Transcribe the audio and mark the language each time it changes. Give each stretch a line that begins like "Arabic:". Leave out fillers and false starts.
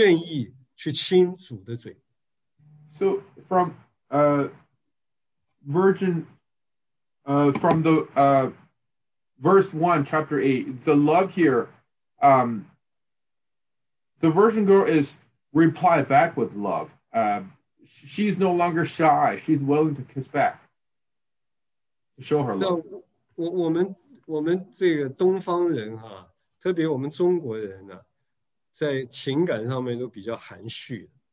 Chinese: 你看啊，到了第八章呢，这个童女哈，她对主就有一个回应的爱了。她在外面遇见的时候，她也不再害羞了，也不再躲藏了，她愿意去亲主的嘴。
English: So from Virgin, from the verse 1, chapter 8, the love here, the virgin girl is replied back with love. She's no longer shy. She's willing to kiss back, to show her love.
Chinese: 我们这个东方人啊，特别我们中国人啊，在情感上面都比较含蓄。